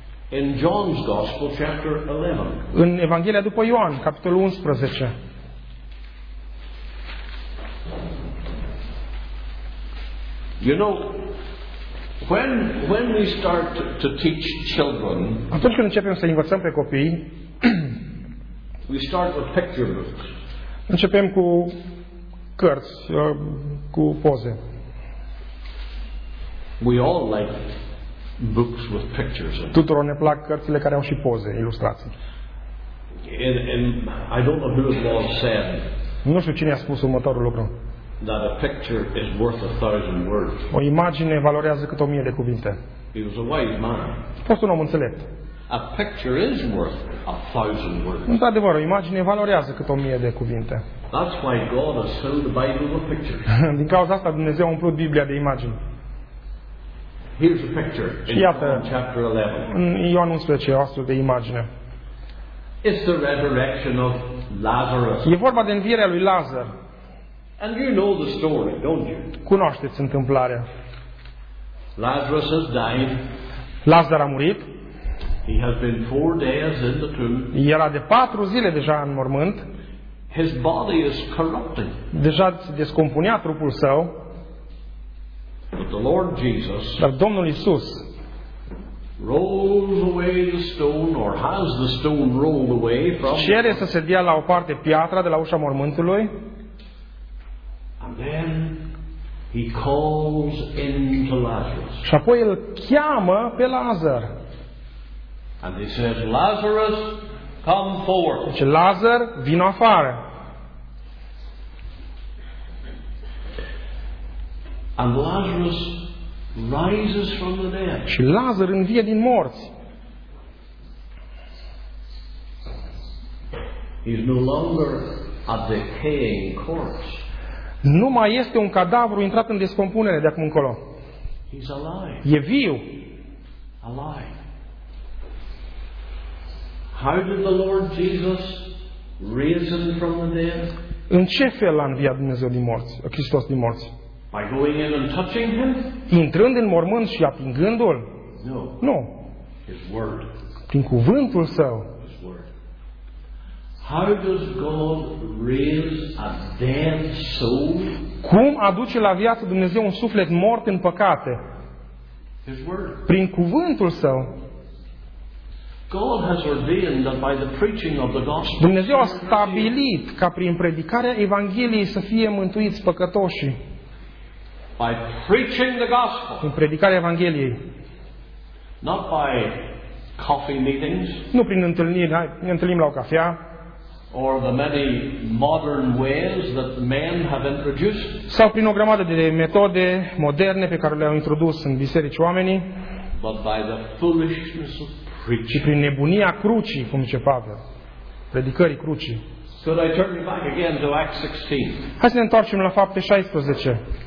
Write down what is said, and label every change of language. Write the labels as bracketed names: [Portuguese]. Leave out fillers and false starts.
[English] In John's Gospel, chapter 11. [Romanian] În Evanghelia după Ioan, capitolul 11. [English] You know, when we start to teach children, [Romanian] atunci când începem să învățăm pe copii, [English] we start with picture books. [Romanian] Începem cu cărți, cu poze. [English] We all like books with pictures. [Romanian] Tuturor ne plac cărțile care au și poze, ilustrații. [English] And I don't know who Paul said. [Romanian] Nu știu cine a spus următorul lucru. [English] That a picture is worth a thousand words. [Romanian] O imagine valorează cât 1000 de cuvinte. [English] He was a wise man. [Romanian] Fost un om înțelept. [English] A picture is worth a thousand words. [Romanian] Într-adevăr, o imagine valorează cât 1000 de cuvinte. [English] That's why God has filled the Bible with pictures. [Romanian] Din cauza asta Dumnezeu a umplut Biblia de imagini. [English] Here's a picture in [Romanian] iată, [English] chapter 11. [Romanian] În Ioan 11, o astfel de imagine. [English] It's the resurrection of Lazarus. [Romanian] E vorba de învierea lui Lazar. [English] And you know the story, don't you? [Romanian] Cunoașteți întâmplarea. [English] Lazarus has died. [Romanian] Lazar a murit. [English] He has been 4 days in the tomb. [Romanian] Era de 4 zile deja în mormânt. [English] His body is corrupted. [Romanian] Deja se descompunea trupul său. [English] But the Lord Jesus. [Romanian] Dar Domnul Iisus. [English] Rolls away the stone, or has the stone rolled away from? [Romanian] Cere să se dea la o parte piatra de la ușa mormântului. [English] And then he calls into Lazarus. [Romanian] Și apoi îl cheamă pe Lazar. [English] And he says, Lazarus, come forth. [Romanian] Zice, Lazar, vino afară. [English] And Lazarus rises from the dead. [Romanian] Și Lazar învie din morți. [English] He's no longer a decaying corpse. [Romanian] Nu mai este un cadavru intrat în descompunere de acum încolo. [English] He's alive. [Romanian] E viu. [English] Alive. How did the Lord Jesus raise him from the dead? [Romanian] În ce fel a înviat Dumnezeu din morți, Hristos din morți? [English] By going in and touching him? [Romanian] Intrând în mormânt și atingându-l? [English] No. [Romanian] Nu. [English] His word. [Romanian] Prin cuvântul său. [English] His word. How does God raise a dead soul? [Romanian] Cum aduce la viață Dumnezeu un suflet mort în păcate? [English] His word. [Romanian] Prin cuvântul său. [English] God has ordained that by the preaching of the gospel. [Romanian] Dumnezeu a stabilit ca prin predicarea Evangheliei să fie mântuiți păcătoșii. [English] By preaching the gospel. [Romanian] În predicarea Evangheliei. [English] Not by coffee meetings. [Romanian] Nu prin întâlniri, ne întâlnim la o cafea. [English] Or the many modern ways that men have introduced. [Romanian] Sau prin o grămadă de metode moderne pe care le-au introdus în biserici oamenii. [English] But by the foolishness of preaching. [Romanian] Prin nebunia crucii, cum zice Pavel. Predicării crucii. [English] Could I turn back again to Acts 16? [Romanian] Hai să ne întoarcem la Fapte 16.